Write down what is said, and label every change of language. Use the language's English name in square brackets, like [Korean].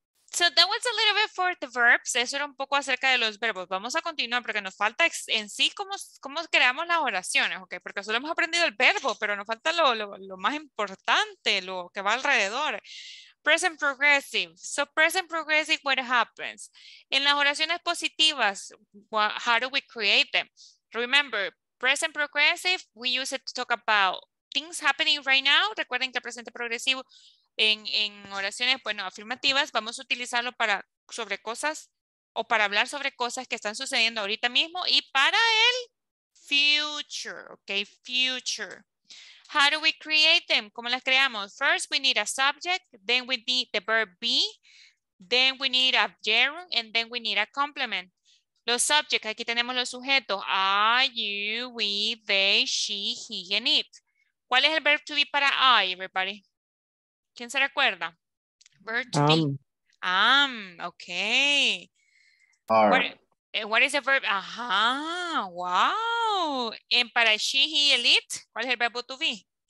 [English] So that was a little bit for the verbs. [Spanish] Eso era un poco acerca de los verbos. Vamos a continuar porque nos falta en sí cómo creamos las oraciones, ¿ok? Porque solo hemos aprendido el verbo, pero nos falta lo más importante, lo que va alrededor. [English] Present progressive. So present progressive, what happens? [Spanish] En las oraciones positivas, [English] how do we create them? Remember, present progressive, we use it to talk about things happening right now. [Spanish] Recuerden que el presente progresivo... En oraciones, bueno, afirmativas, vamos a utilizarlo para sobre cosas o para hablar sobre cosas que están sucediendo ahorita mismo y para el future, ¿ok? [English] Future. How do we create them? [Spanish] ¿Cómo las creamos? [English] First, we need a subject, then we need the verb be, then we need a gerund, and then we need a complement. [Spanish] Los subjects, aquí tenemos los sujetos. [English] I, you, we, they, she, he, and it. [Spanish] ¿Cuál es el verb to be para I, everybody? ¿Quién se recuerda? Verb to be. Okay. [English] Are. What is the verb? Ajá, wow. [Spanish] ¿Y para she, he, and it? ¿Cuál es el verbo to be?